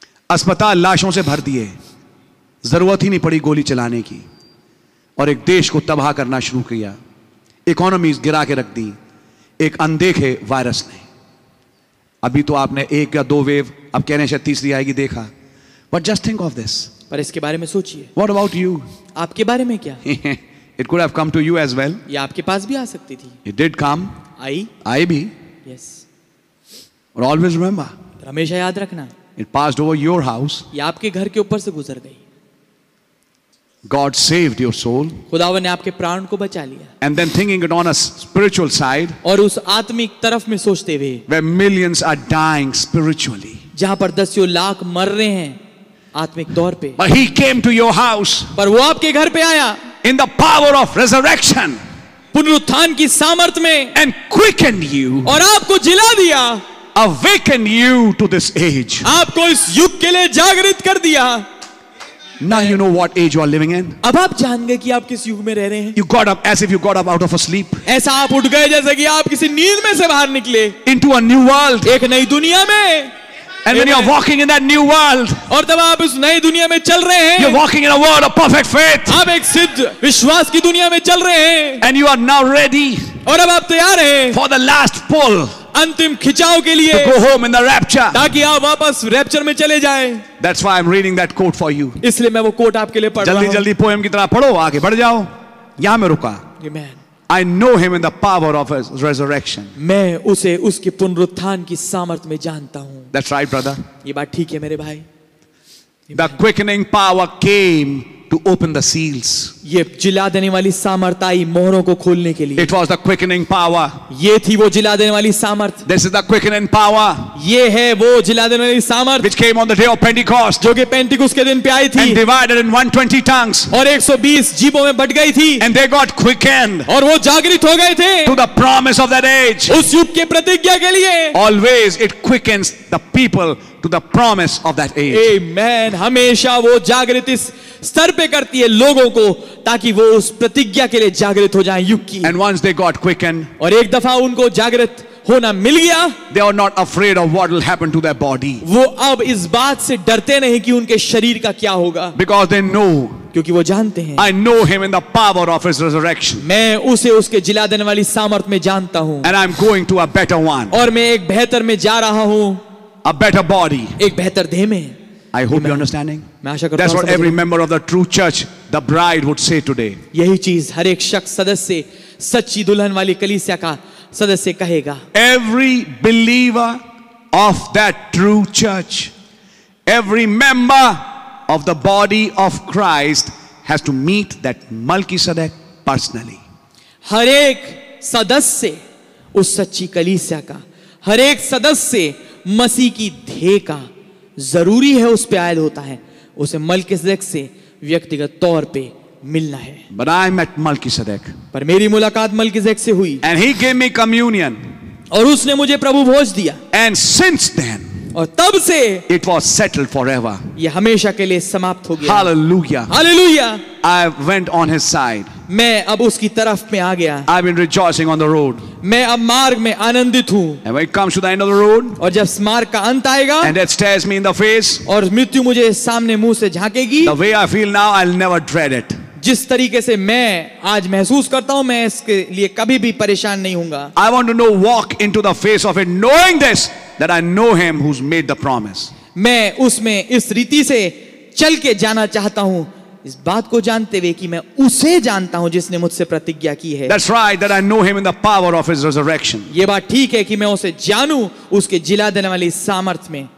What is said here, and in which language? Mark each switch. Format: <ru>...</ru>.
<hi>अस्पताल लाशों से भर दिए, जरूरत ही नहीं पड़ी गोली चलाने की, और एक देश को तबाह करना शुरू किया. इकोनॉमी गिरा के रख दी एक अनदेखे वायरस ने. अभी तो आपने एक या दो वेव, अब कहने से तीसरी आएगी, देखा.</hi> <en>but just think of this,</en> <hi>पर इसके बारे में सोचिए.</hi> <en>what about you,</en> <hi>आपके बारे में क्या?</hi> <en>It could have come to you as well.</en> <hi>ये आपके पास भी आ सकती थी.</hi> <en>It did come.</en> <hi>आई. आई भी.</hi> <en>Yes. But always remember.</en> <hi>हमेशा याद रखना.</hi> <en>It passed over your house.</en> <hi>ये आपके घर के ऊपर से गुजर गई.</hi> <en>God saved your soul.</en> <hi>खुदावन ने आपके प्राण को बचा लिया.</hi> <en>And then thinking it on a spiritual side.</en> <hi>और उस आत्मिक तरफ में सोचते हुए.</hi> <en>Where millions are dying spiritually.</en> <hi>जहाँ पर दसियों लाख मर रहे हैं आत्मिक तौर पे.</hi> <en>But he came to your house.</en> <hi>पर वो आपके घर पे आया.</hi> <en>In the power of resurrection.</en> <hi>पुनरुत्थान की सामर्थ में.</hi> <en>And quickened you.</en> <hi>और आपको जिला दिया.</hi> <en>Awakened you to this age.</en> <hi>आपको इस युग के लिए जागृत कर दिया.</hi> <en>Now you know what age you are living in.</en> <hi>अब आप जान गए कि आप किस युग में रह रहे हैं.</hi> <en>You got up as if you got up out of a sleep.</en> <hi>ऐसा आप उठ गए जैसे कि आप किसी नींद में से बाहर निकले.</hi> <en>Into a new world.</en> <hi>एक नई दुनिया में.</hi> <en>And when you are walking in that new world.</en> <hi>और तब आप उस नई दुनिया में चल रहे हैं.</hi> <en>You're walking in a world of perfect faith.</en> <hi>आप एक सिद्ध विश्वास की दुनिया में चल रहे हैं.</hi> <en>And you are now ready.</en> <hi>और अब आप तैयार हैं.</hi> <en>For the last pull.</en> <hi>अंतिम खिंचाव के लिए.</hi> <en>To go home in the rapture.</en> <hi>ताकि आप वापस रैप्चर में चले जाएं.</hi> <en>That's why I'm reading that quote for you.</en> <hi>इसलिए मैं वो कोट आपके लिए पढ़ रहा हूं. जल्दी-जल्दी पोयम की तरह पढ़ो, आगे बढ़ जाओ. यहां मैं रुका.</hi> <en>Amen. I know him in the power of his resurrection.</en> <hi>मैं उसे उसके पुनरुत्थान की सामर्थ में जानता हूं.</hi> <en>That's right, brother.</en> <hi>ये बात ठीक है मेरे भाई.</hi> <en>The quickening power came to open the seals.</en> <hi>ये जिला देने वाली सामर्थ आई मोहरों को खोलने के लिए.</hi> <en>It was the quickening power.</en> <hi>ये थी वो जिला देने वाली सामर्थ.</hi> <en>This is the quickening power.</en> <hi>ये है वो जिला देने वाली सामर्थ.</hi> <en>Which came on the day of Pentecost.</en> <hi>जो कि पेंटिकॉस्ट के दिन पे आई थी.</hi> <en>And divided in 120 tongues.</en> <hi>और 120 जीभों में बट गई थी.</hi> <en>And they got quickened.</en> <hi>और वो जागृत हो गए थे.</hi> <en>To the promise of that age.</en> <hi>उस युग के प्रतिज्ञा के लिए.</hi> <en>Always it quickens the people to the promise of that age. Amen.</en> <hi>हमेशा वो जागृत इस स्तर पे करती है लोगों को ताकि वो उस प्रतिज्ञा के लिए जागृत हो जाएं युग की.</hi> <en>And once they got quickened,</en> <hi>और एक दफा उनको जागृत होना मिल गया,</hi> <en>they are not afraid of what will happen to their body.</en> <hi>वो अब इस बात से डरते नहीं कि उनके शरीर का क्या होगा.</hi> <en>Because they know,</en> <hi>क्योंकि वो जानते हैं.</hi> <en>I know him in the power of his resurrection.</en> <hi>मैं उसे उसके जिला देने वाली सामर्थ में जानता हूं.</hi> <en>And I'm going to a better one.</en> <hi>और मैं एक बेहतर में जा रहा हूं.</hi> <en>A better body.</en> <hi>एक बेहतर देह में.</hi> <en>I hope you're understanding.</en> <hi>मैं आशा करता हूं.</hi> <en>That's what every member of the true church, the bride, would say today.</en> <hi>यही चीज हर एक शख्स सदस्य सच्ची दुल्हन वाली कलीसिया का सदस्य कहेगा.</hi> <en>Every believer of that true church, every member of the body of Christ has to meet that Melchizedek personally.</en> <hi>हर एक सदस्य उस सच्ची कलीसिया का, हर एक सदस्य मसीह की धेय का जरूरी है उस पे आयद होता है. उसे मल्किसदेक से व्यक्तिगत तौर पे मिलना है.</hi> <en>But I met Melchizedek.</en> <hi>पर मेरी मुलाकात मल्किसदेक से हुई.</hi> <en>And he gave me communion.</en> <hi>और उसने मुझे प्रभु भोज दिया.</hi> <en>And since then,</en> <hi>और तब से,</hi> <en>it was settled forever.</en> <hi>ये हमेशा के लिए समाप्त हो गया.</hi> <en>Hallelujah. Hallelujah. I went on his side.</en> <hi>मैं अब उसकी तरफ में आ गया.</hi> <en>I've been rejoicing on the road.</en> <hi>मैं अब मार्ग में आनंदित हूँ.</hi> <en>And when it comes to the end of the road,</en> <hi>और जब मार्ग का अंत आएगा,</hi> <en>and it stares me in the face,</en> <hi>और मृत्यु मुझे सामने मुंह से झांकेगी,</hi> <en>the way I feel now, I'll never dread it.</en> <hi>जिस तरीके से मैं आज महसूस करता हूँ, मैं इसके लिए कभी भी परेशान नहीं हूँगा.</hi> <en>I want to know walk into the face of it, knowing this that I know Him who's made the promise.</en> <hi>मैं उसमें इस रीति से चल के जाना चाहता हूँ. इस बात को जानते हुए कि मैं उसे जानता हूं जिसने मुझसे प्रतिज्ञा की है.</hi> <en>That's right, that I know him in the power of his resurrection.</en> <hi>ये बात ठीक है कि मैं उसे जानूं उसके जिला देने वाली सामर्थ में.</hi>